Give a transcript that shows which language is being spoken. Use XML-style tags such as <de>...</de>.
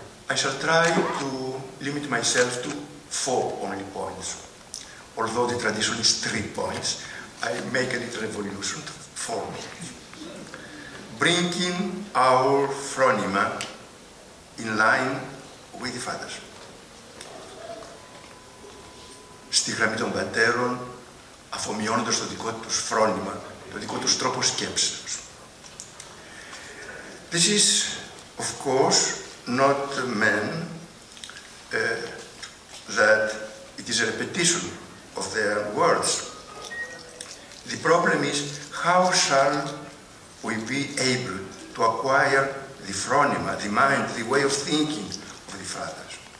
<en>I shall try to limit myself to four only points. Although the tradition is three points, I make a little revolution to four. Bringing our phronema in line with the Fathers.</en> <el>Στη γραμμή των Πατέρων, αφομοιώνοντας το δικό τους φρόνημα, το δικό τους τρόπο σκέψεως.</el> <en>This is, of course, not meant that it is a repetition of their words. The problem is, how shall we be able to acquire the phronema, the mind, the way of thinking of the Fathers?</en>